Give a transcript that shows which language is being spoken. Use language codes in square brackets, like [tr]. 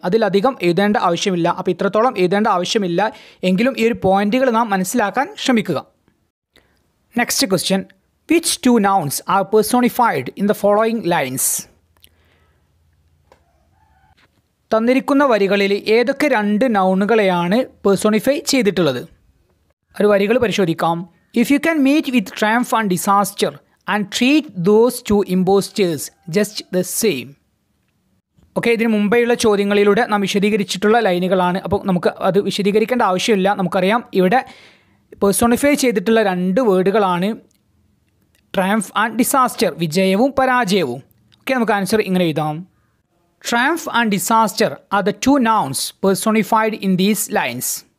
[ml] അതിലധികം എഴുതേണ്ട ആവശ്യമില്ല. അപ്പോൾ ഇത്രത്തോളം എഴുതേണ്ട ആവശ്യമില്ല എങ്കിലും ഈ ഒരു പോയിൻറ്റുകൾ നാം മനസ്സിലാക്കാൻ ശ്രമിക്കുക. [en] Next question, which two nouns are personified in the following lines. [ml] തന്നിരിക്കുന്ന വരികളിൽ ഏതൊക്കെ രണ്ട് നൗണുകളെയാണ് പേഴ്സണിഫൈ ചെയ്തിട്ടുള്ളത്? ഒരു വരികൾ പരിശോധിക്കാം. [en] If you can meet with triumph and disaster and treat those two impostors just the same. [ml] Okay, ഇതിന് മുമ്പെയുള്ള ചോദ്യങ്ങളിലൂടെ നാം വിശദീകരിച്ചിട്ടുള്ള ലൈനുകളാണ്. അപ്പോൾ നമുക്ക് അത് വിശദീകരിക്കേണ്ട ആവശ്യമില്ല. നമുക്കറിയാം ഇവിടെ പേഴ്സണിഫൈ ചെയ്തിട്ടുള്ള രണ്ട് വേർഡുകളാണ് ട്രയംഫ് ആൻഡ് ഡിസാസ്റ്റർ, വിജയവും പരാജയവും. [en] okay, [ml] നമുക്ക് ആൻസർ ഇങ്ങനെ എഴുതാം. [en] Triumph and disaster are the two nouns personified in these lines.